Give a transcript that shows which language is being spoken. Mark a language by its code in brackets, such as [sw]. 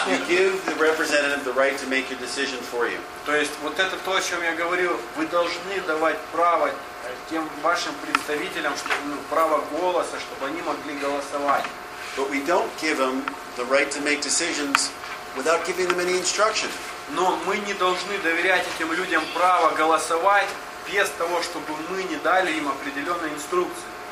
[en] You give the representative the right to make your decision for you. [ru] То есть вот это то, о чем я говорил, вы должны давать право тем вашим представителям, чтобы, ну, право голоса, чтобы они могли голосовать. [en] But we don't give them the right to make decisions without giving them any instruction. [ru] Но мы не должны доверять этим людям право голосовать без того, чтобы мы не дали им определенные инструкции.